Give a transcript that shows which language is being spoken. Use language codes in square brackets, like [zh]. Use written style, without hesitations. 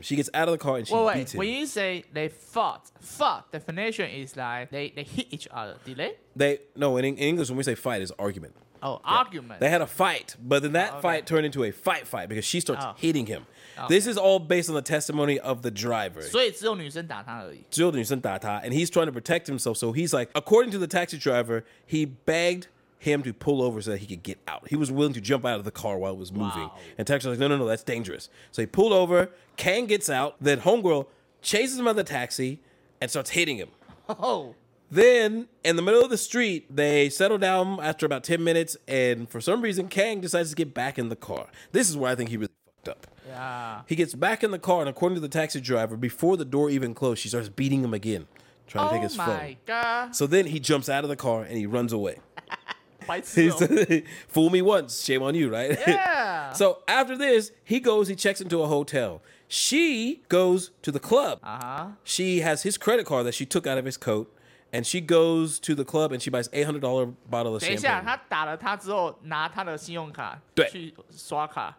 [en] She gets out of the car, and she beats him. When you say they fought, definition is like they hit each other, did they? No, in English, when we say fight, it's argument. Oh, yeah. Argument. They had a fight, but then that fight turned into a fight because she starts hitting him. Okay. This is all based on the testimony of the driver. [zh] 所以只有女生打他而已。只有女生打他, [en] and he's trying to protect himself. So he's like, according to the taxi driver, he begged him to pull over so that he could get out. He was willing to jump out of the car while it was moving. Wow. And Texas was like, no, that's dangerous. So he pulled over, Kang gets out, then homegirl chases him out of the taxi and starts hitting him. Oh. Then, in the middle of the street, they settle down after about 10 minutes, and for some reason, Kang decides to get back in the car. This is where I think he really fucked up. Yeah. He gets back in the car, and according to the taxi driver, before the door even closed, she starts beating him again, trying to take his phone. Oh, my God. So then he jumps out of the car, and he runs away. Fool me once, shame on you, right? Yeah. So after this, he goes, he checks into a hotel. She goes to the club. Uh-huh. She has his credit card that she took out of his coat. And she goes to the club and she buys $800 bottle of champagne. [zh] 等一下，他打了他之后，拿他的信用卡去刷卡。